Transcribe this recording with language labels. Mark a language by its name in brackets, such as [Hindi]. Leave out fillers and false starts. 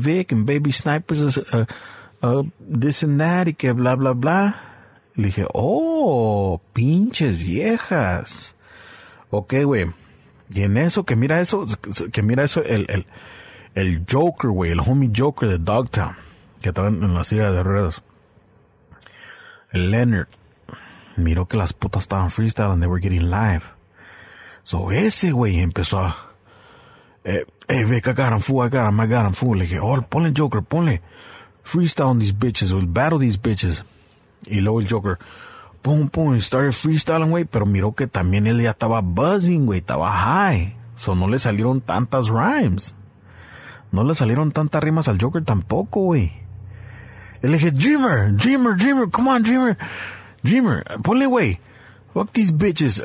[Spanish] Vic, [English] and baby snipers, this and that, [Spanish] y que bla, bla, bla, y dije, oh, pinches viejas, ok, güey. Y en eso, que mira eso, el Joker, güey, el homie Joker de Dogtown, que estaba en la silla de ruedas. El Leonard miró que las putas estaban freestyle [English] and they were getting live. [Spanish] So ese, güey, empezó a... [English] Hey, Vic, I got him, fool. [Spanish] Le dije, oh, ponle Joker, ponle. [English] Freestyle on these bitches, we'll battle these bitches. [Spanish] Y luego el Joker... Pum, pum, [English] started freestyling, [Spanish] güey, pero miró que también él ya estaba buzzing, güey, estaba high. So no le salieron tantas rhymes. No le salieron tantas rimas al Joker tampoco, güey. Le dije, [English] Dreamer, come on, Dreamer, ponle, güey. Fuck these bitches.